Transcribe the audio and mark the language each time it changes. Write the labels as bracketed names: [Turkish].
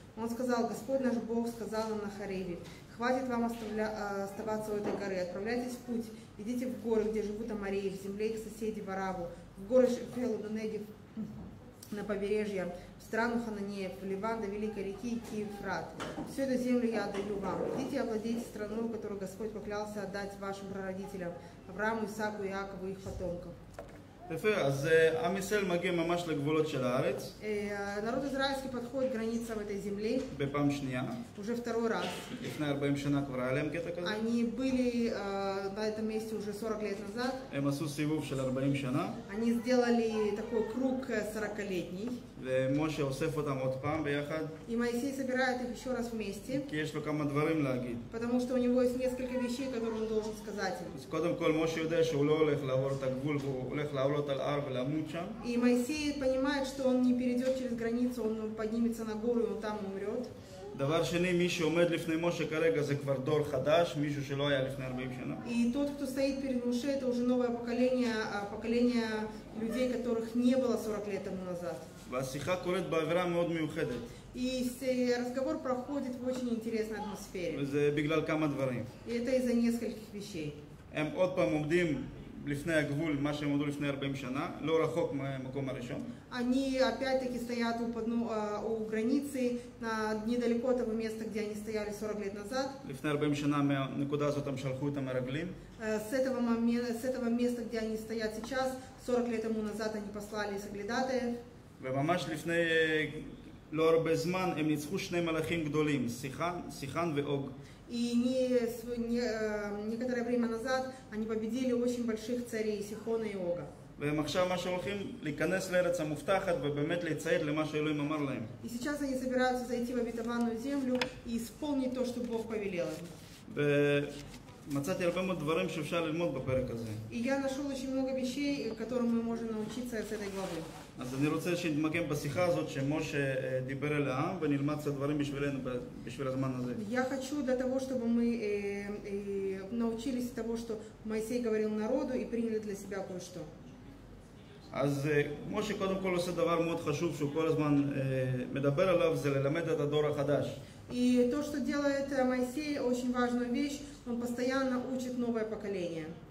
[Russian] Он сказал: «Господь наш Бог сказал на Хариве, хватит вам оставаться у этой горы, отправляйтесь в путь, идите в горы, где живут Амореи, в земле их соседей, в Араву, в горы Шефелу, до Негев, на побережье, в страну Хананеев, в Ливан, до великой реки Киев-Фрат. Всю эту землю я отдаю вам. Идите и овладейте страну, которую Господь поклялся отдать вашим прародителям, Аврааму, Исааку, Иакову и их потомкам». [Hebrew] יפה, אז עם ישראל מגיע ממש לגבולות של הארץ. [Russian] народ израильский подходит к границам этой земли. [Hebrew] בפעם שנייה. [Russian] уже второй раз. [Hebrew] לפני 40 שנה כבר היה להם קטע כזה. [Russian] они были на этом месте уже 40 лет назад. [Hebrew] הם עשו סיבוב של 40 שנה. [Russian] они сделали такой круг 40-летний. [Hebrew] ומשה אוסף אותם עוד פעם ביחד. [Russian] и Моисей собирает их еще раз вместе. [Hebrew] כי יש לו כמה דברים להגיד. [Russian] потому что у него есть несколько вещей, которые он должен сказать им. [Hebrew] אז קודם כל משה יודע שהוא לא הולך לעבור את הגבול, הוא הולך לעבור [Russian] И Моисей понимает, что он не перейдет через границу, он поднимется на гору и он там умрет. [Hebrew] דבר שני, מי שעומד לפני משה כרגע זה כבר דור חדש, מישהו שלא היה לפני 40 שנה. [Russian] И тот, кто стоит перед Моше, это уже новое поколение, поколение людей, которых не было 40 лет тому назад. [Hebrew] והשיחה קורית באווירה מאוד מיוחדת. [Russian] И разговор проходит в очень интересной атмосфере. [Hebrew] וזה בגלל כמה דברים. [Russian] И это из-за нескольких вещей. [Hebrew] הם עוד פעם עומדים לפני הגבול, מה שהם עמדו לפני 40 שנה, לא רחוק מהמקום הראשון. [Russian] они опять-таки стоят у границы, недалеко от того места, где они стояли 40 лет назад. [Hebrew] לפני 40 שנה, מהנקודה הזאת הם שלחו את המרגלים. [Russian] с этого места, где они стоят сейчас, 40 лет тому назад они послали соглядатаев. [Hebrew] וממש לפני לא הרבה זמן, הם ניצחו שני מלאכים גדולים, סיחן ואוג. [Russian] И некоторое время назад они победили очень больших царей Сихона и Ога. И сейчас они собираются зайти в обетованную землю и исполнить то, что Бог повелел им. [Hebrew] ומצאתי הרבה מאוד דברים שאפשר ללמוד בפרק הזה. [Russian] Я нашел очень много вещей, которым мы можем научиться из этой главы. [Hebrew] אז אני רוצה שנתמקם בשיחה הזאת שמשה דיבר אל העם ונלמד את הדברים בשבילנו בשביל הזמן הזה. [Russian] Я хочу для того, чтобы мы научились того, что Моисей говорил народу и приняли для себя кое-что. [Hebrew] אז משה קודם כל עושה דבר מאוד חשוב שהוא כל הזמן מדבר עליו, זה ללמד את הדור החדש. [Russian] И то, что делает Моисей, очень важную вещь, он постоянно учит новое поколение.